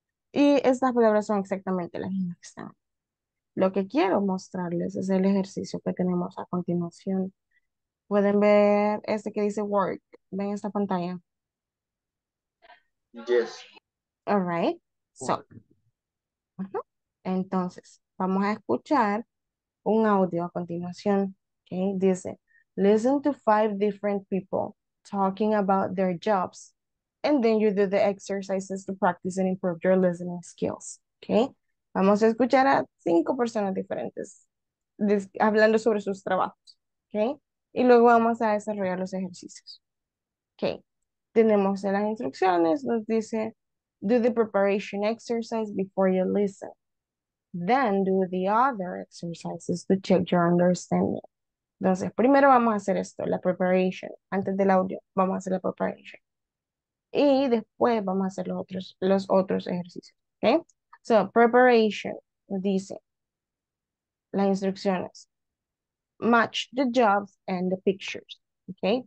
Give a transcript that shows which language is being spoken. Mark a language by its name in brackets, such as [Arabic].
[Spanish] Y estas palabras son exactamente las mismas que están. Lo que quiero mostrarles es el ejercicio que tenemos a continuación. Pueden ver este que dice work. ¿Ven esta pantalla? [English] Yes. All right. So. [Spanish] Entonces, vamos a escuchar un audio a continuación, okay? Dice, [English] listen to five different people talking about their jobs, and then you do the exercises to practice and improve your listening skills, okay? [Spanish] Vamos a escuchar a cinco personas diferentes hablando sobre sus trabajos, okay? Y luego vamos a desarrollar los ejercicios, okay? Tenemos las instrucciones, nos dice, [English] do the preparation exercise before you listen. Then do the other exercises to check your understanding. [Spanish] Entonces, primero vamos a hacer esto, la preparation. Antes del audio, vamos a hacer la preparation. Y después vamos a hacer los otros ejercicios. Okay? So, preparation, dice, las instrucciones. [English] Match the jobs and the pictures. Okay?